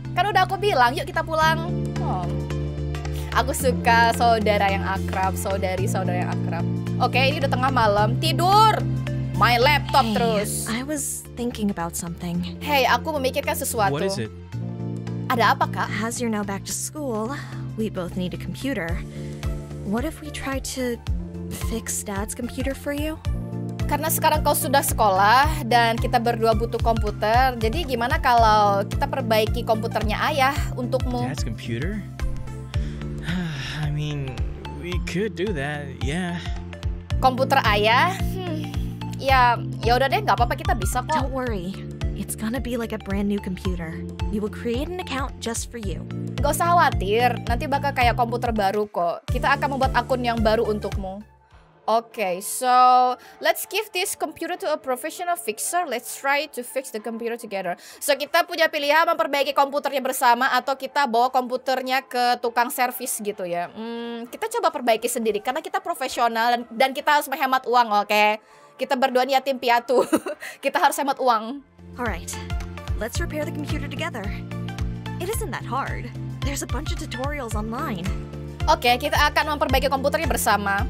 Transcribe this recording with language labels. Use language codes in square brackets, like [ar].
[id] Kan udah aku bilang, yuk kita pulang. Oh. Aku suka saudara yang akrab, saudari-saudara yang akrab. Oke, ini udah tengah malam, tidur! [en] My laptop hey, [id] terus. [en] I was thinking about something. [id] Hey, aku memikirkan sesuatu. [en] What is it? [id] Ada apa, Kak? [en] As you're now back to school, we both need a computer. What if we try to fix Dad's computer for you? [id] Karena sekarang kau sudah sekolah dan kita berdua butuh komputer, jadi gimana kalau kita perbaiki komputernya ayah untukmu? [en] Dad's computer? I mean, we could do that, yeah. [id] Komputer ayah? Ya, ya udah deh, nggak apa-apa, kita bisa kok. [en] Don't worry, it's gonna be like a brand new computer. We will create an account just for you. [id] Gak usah khawatir, nanti bakal kayak komputer baru kok. Kita akan membuat akun yang baru untukmu. [en] Okay, so let's give this computer to a professional fixer. Let's try to fix the computer together. [id] So kita punya pilihan memperbaiki komputernya bersama atau kita bawa komputernya ke tukang servis gitu ya. Kita coba perbaiki sendiri karena kita profesional dan kita harus menghemat uang, oke? Okay? Kita berdua nih yatim piatu. Kita harus hemat uang. [en] Alright, let's repair the computer together. It isn't that hard. There's a bunch of tutorials online. [id] Oke, okay, kita akan memperbaiki komputernya bersama.